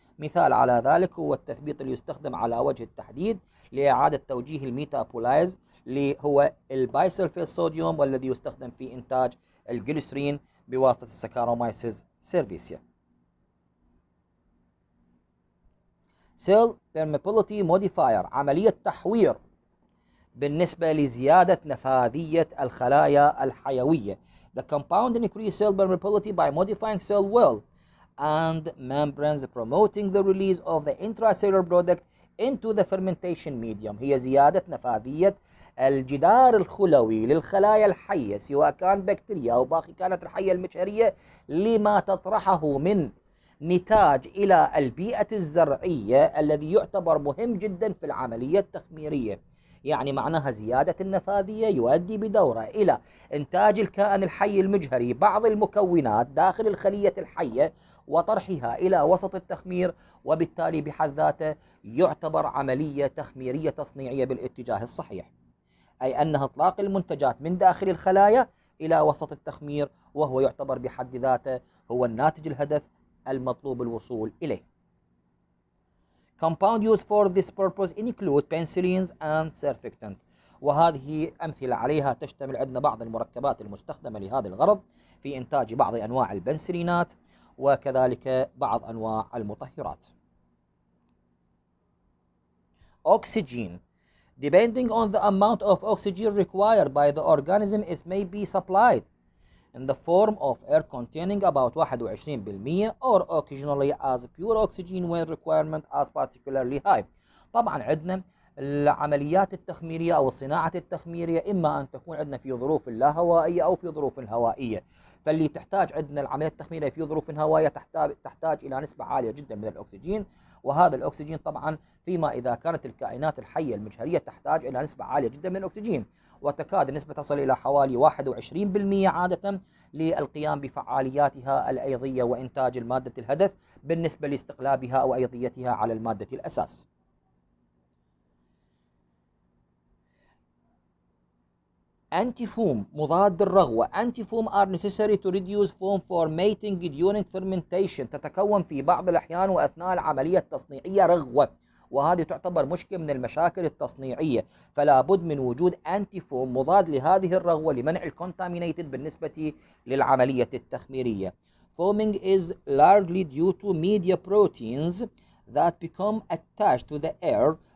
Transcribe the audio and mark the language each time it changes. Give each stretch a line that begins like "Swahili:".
Arabic: مثال على ذلك هو التثبيط اللي يستخدم على وجه التحديد لإعادة توجيه الميتابولايز اللي هو البايسلفيت صوديوم، والذي يستخدم في إنتاج الجلسرين بواسطة الساكاروميسيز سيرفيسيا.
English: Cell permeability modifier
Arabic: عملية تحوير بالنسبة لزيادة نفاذية الخلايا الحيوية.
English: The compound increase cell permeability by modifying cell wall and membranes promoting the release of the intracellular product into the fermentation medium.
Arabic: هي زيادة نفاذية الجدار الخلوي للخلايا الحية سواء كان بكتيريا أو باقي كانت الحية المجهرية لما تطرحه من نتاج إلى البيئة الزرعية الذي يعتبر مهم جدا في العملية التخميرية. يعني معناها زيادة النفاذية يؤدي بدورة إلى إنتاج الكائن الحي المجهري بعض المكونات داخل الخلية الحية وطرحها إلى وسط التخمير، وبالتالي بحد ذاته يعتبر عملية تخميرية تصنيعية بالاتجاه الصحيح، أي أنها إطلاق المنتجات من داخل الخلايا إلى وسط التخمير، وهو يعتبر بحد ذاته هو الناتج الهدف المطلوب الوصول إليه.
English: Compound used for this purpose include penicillins and surfactant.
Arabic: وهذه أمثلة عليها، تشتمل عندنا بعض المركبات المستخدمة لهذا الغرض في إنتاج بعض أنواع البنسلينات وكذلك بعض أنواع المطهرات.
English: Oxygen. Depending on the amount of oxygen required by the organism, it may be supplied in the form of air containing about 21% or occasionally as pure oxygen when requirement as particularly high.
Arabic: طبعا عندنا العمليات التخميرية أو الصناعة التخميرية إما أن تكون عندنا في ظروف لا هوائية أو في ظروف هوائية، فاللي تحتاج عندنا العملية التخميرية في ظروف هوائية تحتاج إلى نسبة عالية جدا من الأكسجين، وهذا الأكسجين طبعا فيما إذا كانت الكائنات الحية المجهرية تحتاج إلى نسبة عالية جدا من الأكسجين، وتكاد النسبة تصل إلى حوالي 21% عادة للقيام بفعالياتها الأيضية وإنتاج المادة الهدف بالنسبة لاستقلابها أو أيضيتها على المادة الأساس.
English: Antifoam
Arabic: مضاد الرغوة.
English: Antifoam are necessary to reduce foam for mating during fermentation.
Arabic: تتكون في بعض الأحيان وأثناء العملية التصنيعية رغوة، وهذه تعتبر مشكلة من المشاكل التصنيعية، فلا بد من وجود antifoam مضاد لهذه الرغوة لمنع الكونتامينيتد بالنسبة للعملية التخميرية.
English: Foaming is largely due to media proteins that become attached to the air.